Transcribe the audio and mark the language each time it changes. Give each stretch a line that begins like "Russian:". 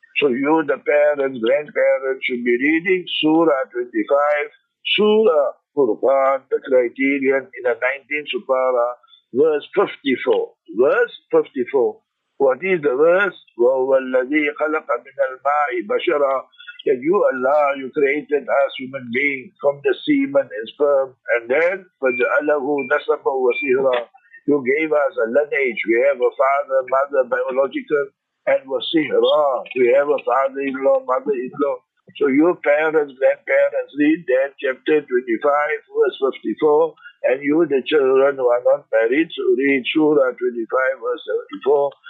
English: So you, the parents, grandparents, should be reading Surah 25, Surah Furqan, the criterion in the 19th Surah, verse 54. Verse 54. What is the verse?
Arabic: وَهُوَ الَّذِي خَلَقَ مِنَ الْمَاءِ بَشَرًا.
English: That you, Allah, you created us, human beings, from the semen and sperm. And then,
Arabic: فَجَعَلَهُ نَسَبًا وَسِهْرًا.
English: You gave us a lineage. We have a father, mother, biological, and وَسِهْرًا. We have a father-in-law, mother-in-law. So your parents, grandparents, read that chapter 25, verse 54, and you, the children who are not married, so read Surah 25, verse 74.